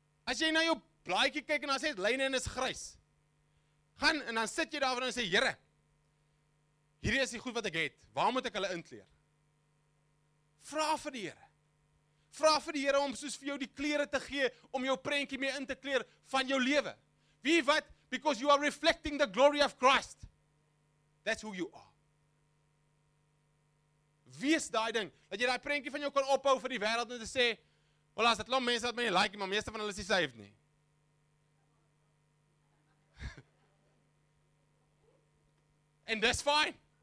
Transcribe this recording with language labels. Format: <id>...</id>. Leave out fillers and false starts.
<af>As jy na jou blaadjie kyk en dan sê, lyne is grys. Gaan en dan sit jy daar en sê, Here, hierdie is die goed wat ek het. Waar moet ek hulle inkleer? Vra vir die Here. Vra vir die Here om soos vir jou die kleure te gee, om jou prentjie mee in te kleer van jou lewe. Wie wat?</af> <en>Because you are reflecting the glory of Christ. That's who you are.</en> <af>Wees daai ding, dat jy daai prentjie van jou kan ophou vir die wêreld om te sê, wel, as dit lang mense wat my nie like, maar meeste van hulle is nie saved nie. En dis fine.</af>